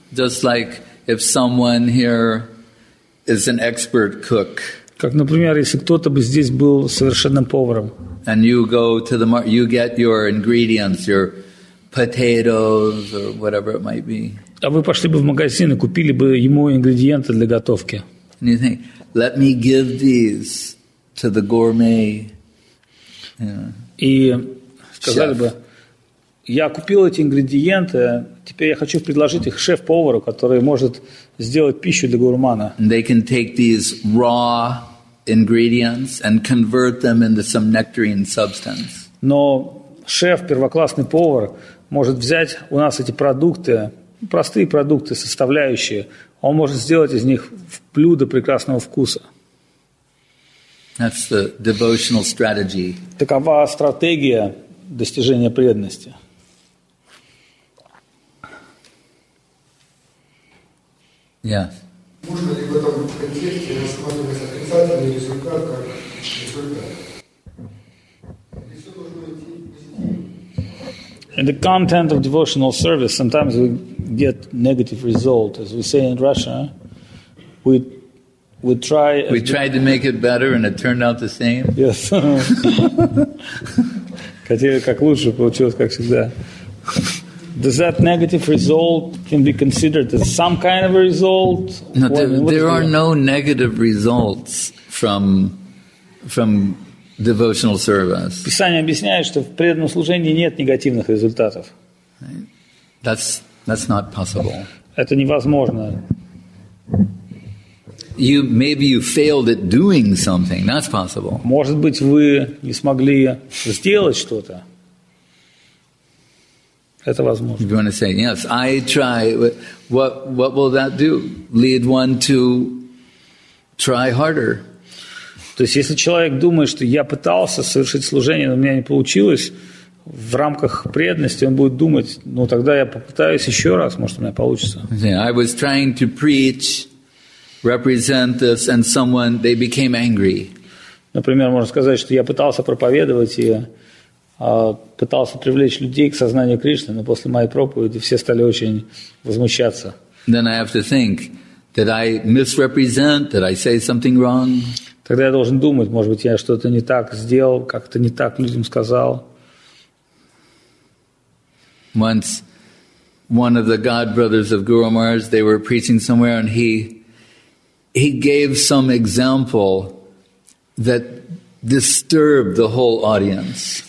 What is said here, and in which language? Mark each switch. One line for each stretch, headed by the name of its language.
English: Just like if someone here is an expert cook.
Russian: Как, например, если кто-то бы здесь был совершенным поваром.
English: And you go to the market, you get your ingredients, your potatoes or whatever it might be.
Russian: А вы пошли бы в магазин и купили бы ему ингредиенты для готовки.
English: And you think, let me give these to the gourmet.
Russian: И сказали бы, я купил эти ингредиенты, теперь я хочу предложить их шеф-повару, который может сделать пищу для гурмана.
English: They can take these raw ingredients and convert them into some nectarine substance.
Russian: Но шеф, первоклассный повар, может взять у нас эти продукты, простые продукты, составляющие, он может сделать из них блюдо прекрасного вкуса.
English: That's the devotional strategy.
Russian: Такова стратегия достижения преданности.
English: Yes. In the content of devotional service, sometimes we get negative result. As we say in Russia, we tried to make it better and it turned out the same. Yes.
Russian: Хотели как лучше, получилось как всегда.
English: Does that negative result can be considered as some kind of a result? No, there are no negative results from devotional service.
Russian: Писание объясняет, что в преданном служении нет негативных результатов.
English: That's not possible.
Russian: Это невозможно.
English: Maybe you failed at doing something. That's possible.
Russian: Может быть, вы не смогли сделать что-то. Это возможно.
English: You want to say, yes, I try. What will that do? Lead one to try harder.
Russian: То есть, если человек думает, что я пытался совершить служение, но у меня не получилось, в рамках преданности он будет думать, ну, тогда я попытаюсь еще раз, может, у меня получится.
English: I was trying to preach, represent this, and someone, they became angry.
Russian: Например, можно сказать, что я пытался проповедовать, и пытался привлечь людей к сознанию Кришны, но после моей проповеди все стали очень возмущаться.
English: Then I have to think, did I misrepresent? Did I say something wrong?
Russian: Тогда я должен думать, может быть, я что-то не так сделал, как-то не так людям сказал.
English: Once one of the God brothers of Guru Maharaj, they were preaching somewhere, and he gave some example that disturbed the whole audience.